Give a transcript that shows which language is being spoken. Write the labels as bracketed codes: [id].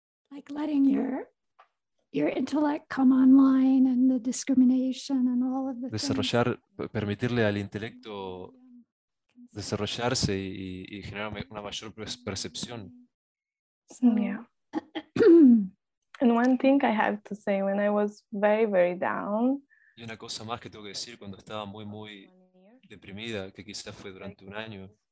[en] Like letting your intellect come online and the discrimination and all of the [es] desarrollar [en] things. [es] Permitirle al intelecto desarrollarse y generar una mayor percepción. Yeah. [en] And one thing I have to say when I was very very down. [es] Y una cosa más que tengo que decir cuando estaba muy muy deprimida, que quizás fue durante un año.